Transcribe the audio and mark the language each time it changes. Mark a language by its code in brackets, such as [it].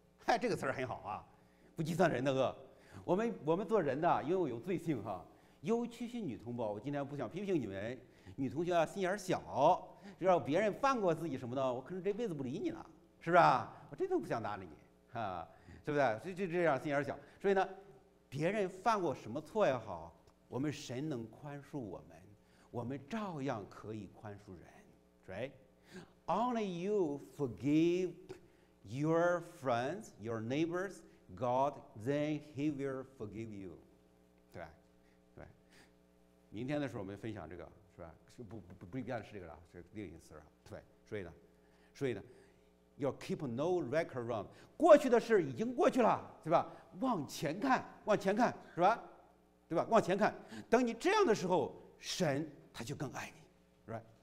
[zh] 嗨，这个词儿很好啊，不计算人的恶。我们做人的，因为我有罪性哈，尤其是女同胞，我今天不想批评你们女同学啊，心眼小，知道别人犯过自己什么的，我可能这辈子不理你了，是不是？我真的不想搭理你啊，对不对？这样心眼小。所以呢，别人犯过什么错也好，我们神能宽恕我们，我们照样可以宽恕人。 [en] Right? Only you forgive your friends, your neighbors, God, then He will forgive you. [zh] 对，明天的时候我们分享这个，是吧？不一定是这个了，是另一个词了。对，所以呢。要 [en] keep no record wrong， [zh] 过去的事已经过去了，对吧？往前看，往前看，是吧？对吧？往前看，等你这样的时候，神他就更爱你，是吧？